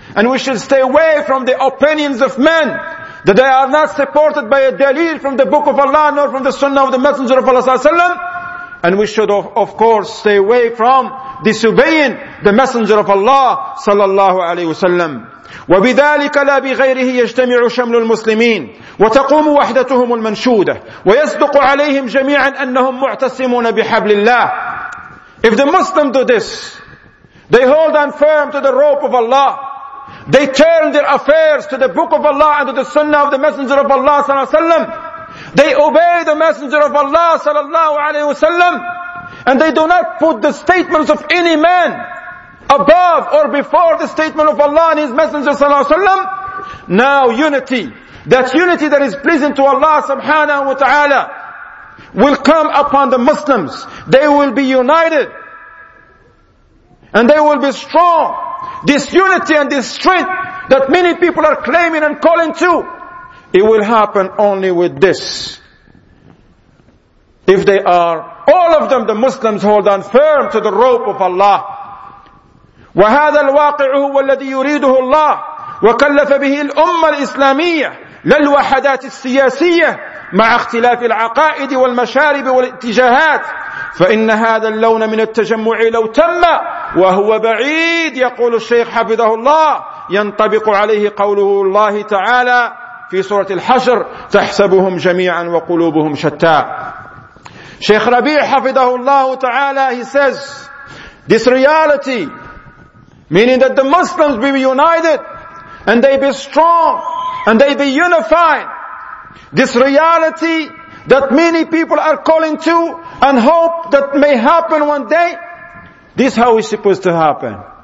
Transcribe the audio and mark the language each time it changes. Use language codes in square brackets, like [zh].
[en] And we should stay away from the opinions of men, that they are not supported by a dalil from the book of Allah, nor from the sunnah of the Messenger of Allah sallallahu alaihi wasallam. And we should of course stay away from disobeying the Messenger of Allah sallallahu alaihi wasallam. [ar] وبذلك لا بغيره يجتمع شمل المسلمين وتقوم وحدتهم المنشودة ويصدق عليهم جميعا أنهم معتصمون بحبل الله. [en] If the Muslims do this, they hold on firm to the rope of Allah, they turn their affairs to the book of Allah and to the sunnah of the Messenger of Allah sallallahu alaihi wasallam, they obey the Messenger of Allah sallallahu alaihi wasallam, and they do not put the statements of any man above or before the statement of Allah and His Messenger sallallahu alaihi wasallam, now unity, that unity that is pleasing to Allah subhanahu wa ta'ala, will come upon the Muslims. They will be united and they will be strong. This unity and this strength that many people are claiming and calling to, it will happen only with this. If they are, all of them, the Muslims, hold on firm to the rope of Allah. [ar] وهذا الواقع هو الذي يريده الله وكلف به الأمة الإسلامية للوحدات السياسية مع اختلاف العقائد والمشارب والاتجاهات فإن هذا اللون من التجمع لو تم وهو بعيد يقول الشيخ حفظه الله ينطبق عليه قوله الله تعالى في سورة الحشر تحسبهم جميعا وقلوبهم شتى. [en] شيخ ربيع [ar] حفظه الله تعالى, [en] he says this reality, meaning that the Muslims be united and they be strong and they be unified, this reality that many people are calling to and hope that may happen one day, this how is supposed to happen?